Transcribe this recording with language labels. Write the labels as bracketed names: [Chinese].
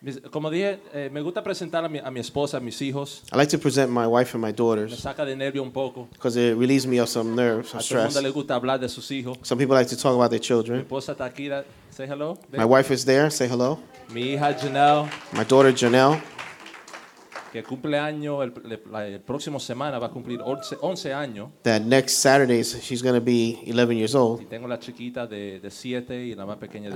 [Spanish] Como dije, me gusta presentar a mi esposa, a mis hijos. [English] I like to present my wife and my daughters. [Spanish] Me saca de nervio un poco. [English] Because it relieves me of some nerves, some stress. [Spanish] A todo el mundo le gusta hablar de sus hijos. [English] Some people like to talk about their children. [Spanish] Mi esposa está aquí. [English] Say hello. My wife is there. Say hello. [Spanish] Mi hija Janelle. [English] My daughter Janelle. [Spanish] Que cumple año el próximo semana va a cumplir 11 años. [English] That next Saturday she's going to be 11 years old. [Spanish] Y tengo la chiquita de 7 y la más pequeña de